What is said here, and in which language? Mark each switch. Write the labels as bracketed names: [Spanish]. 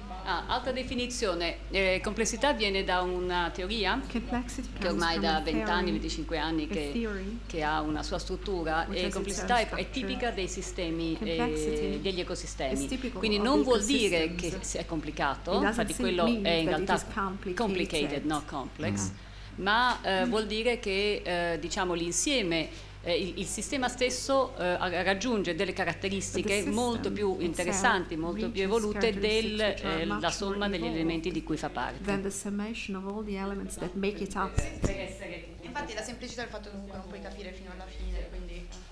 [Italian] Altra definizione, complessità viene da una teoria che ormai da 20 anni, 25 anni che ha una sua struttura, e complessità è tipica dei sistemi, degli ecosistemi, quindi non vuol dire che sia complicato, infatti quello è in realtà [English] complicated, not complex, [Italian] ma vuol dire che diciamo l'insieme, il sistema stesso raggiunge delle caratteristiche molto più interessanti, molto più evolute della somma degli elementi di cui fa parte. [English] Than the summation of all the elements that make it up. [Italian] Infatti la semplicità è il fatto che non puoi capire fino alla fine, quindi